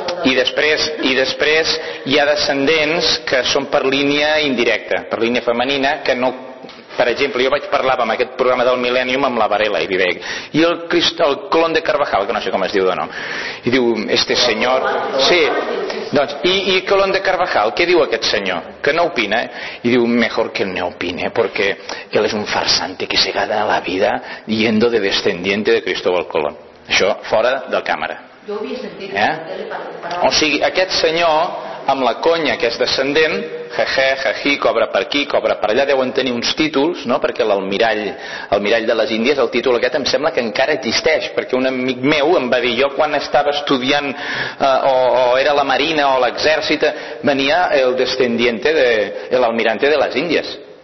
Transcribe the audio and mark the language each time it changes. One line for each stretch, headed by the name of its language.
Catalan: I després hi ha descendents que són per línia indirecta, per línia femenina, que no, per exemple, jo vaig parlar amb aquest programa del Millennium amb la Varela i Vivek, i el Colón de Carvajal, que no sé com es diu de nom, i diu, este senyor, sí, doncs, i Colón de Carvajal, què diu aquest senyor?
Spanish: Que no opina,
Catalan: i diu,
Spanish: mejor que no opine, porque él es un farsante que se gana la vida yendo de descendiente de Cristóbal Colón.
Catalan: Això fora de càmera. Jo havia sentit. O sigui, aquest senyor amb la conya que és descendent, jeje, jají, cobra per aquí, cobra per allà, deuen tenir uns títols, no? Perquè l'almirall de les Índies, el títol aquest em sembla que encara existeix, perquè un amic meu em va dir, jo quan estava estudiant o era la marina o l'exèrcit, venia el descendiente de l'almirante de les Índies.